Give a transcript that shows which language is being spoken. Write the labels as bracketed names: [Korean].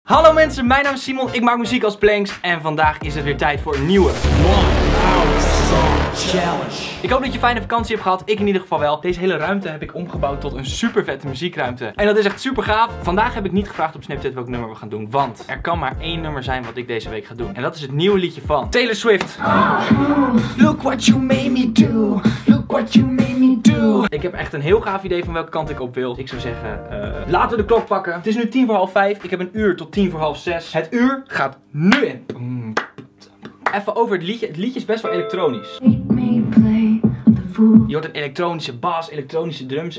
[Dutch] Hallo mensen, mijn naam is Simon, ik maak muziek als Planks en vandaag is het weer tijd voor een nieuwe One Hour Song Challenge. Ik hoop dat je fijne vakantie hebt gehad, ik in ieder geval wel. Deze hele ruimte heb ik omgebouwd tot een super vette muziekruimte. En dat is echt super gaaf. Vandaag heb ik niet gevraagd op Snapchat welk nummer we gaan doen, want er kan maar één nummer zijn wat ik deze week ga doen. En dat is het nieuwe liedje van Taylor Swift. [English] Look what you made me do, look what you made me do. [Dutch] Ik heb echt een heel gaaf idee van welke kant ik op wil. Ik zou zeggen, laten we de klok pakken. Het is nu 5:10, ik heb een uur tot 5:50. Het uur gaat nu in. Even over het liedje. Het liedje is best wel elektronisch. Je hoort een elektronische bas, elektronische drums.